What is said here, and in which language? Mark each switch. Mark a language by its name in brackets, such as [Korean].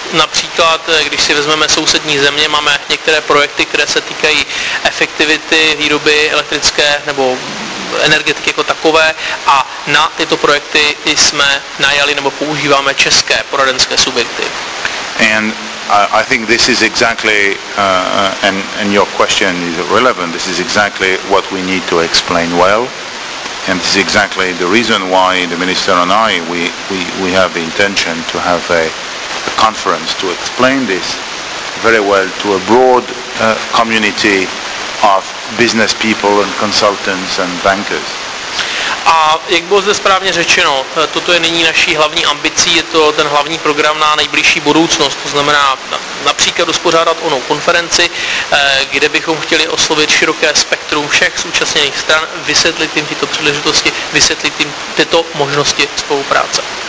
[Czech] Například, když si vezmeme sousední země, máme některé projekty, které se týkají efektivity výroby elektrické nebo energetiky jako takové a na tyto projekty jsme najali nebo používáme české poradenské subjekty. [English] And I think this is exactly and your question is relevant. This is exactly what we need to explain well. And this is exactly the reason why the minister and I we have the intention to have a conference to explain this very well to a broad community of business people and consultants and bankers. [Czech] A jak bylo zde správně řečeno, toto je nyní naší hlavní ambicí, je to ten hlavní program na nejbližší budoucnost, to znamená například uspořádat onou konferenci, kde bychom chtěli oslovit široké spektrum všech zúčastněných stran, vysvětlit jim tyto příležitosti, vysvětlit jim tyto možnosti spolupráce.